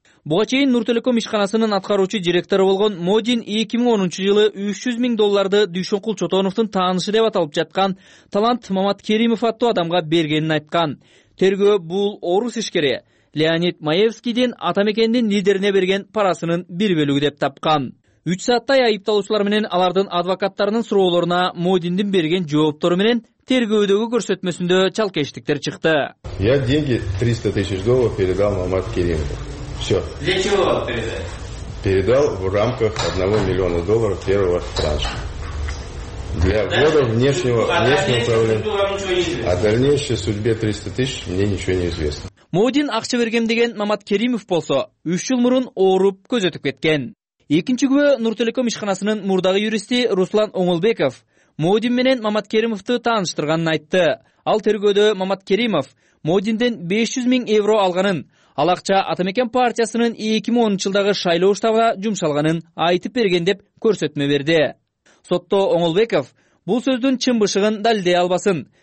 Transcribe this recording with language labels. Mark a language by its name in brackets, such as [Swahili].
[Kyrgyz] Буга чейин Нуртелеком ишканасынын аткаруучу директору болгон Модин 2010 жылы 300 миң долларды Дүйшөнкул Чотоновдун таанышы деп аталып жаткан талант Мамат Керимов аттуу адамга бергенин айткан. Тергөө бул орус ишкери Леонид Маевскийдин Атамекендин лидерине берген парасынын бир бөлүгү деп тапкан. 3 сааттай айыпталуучулар менен алардын адвокаттарынын суроолоруна Модиндин берген жооптору менен тергөөдөгү көрсөтмөсүндө чалкештиктер чыкты. [Russian] Я деньги 300 тысяч долларов передал Мамат Керимову. Все. Для чего передать? Передал в рамках 1 миллиона долларов первого транша. Для ввода внешнего управления. О дальнейшей судьбе 300 тысяч мне ничего не известно. [Kyrgyz] Модин акча бергем деген Мамат Керимов болсо, 3 жыл мурун ооруп көз өтүп кеткен. Экинчи күбө Нуртелеком ишканасынын мурдагы юристи Руслан Оңолбеков Модин менен Мамат Керимовду тааныштырганын айтты. Ал тергөөдө Мамат Керимов Модинден 500 миң евро алганын, ал акча Атамекен партиясынын 2010 жылдагы шайлоо штабына жумшалганын айтып берген деп көрсөтмө берди. Сотто Оңолбеков бул сөздүн чынбышыгын далилдей албасын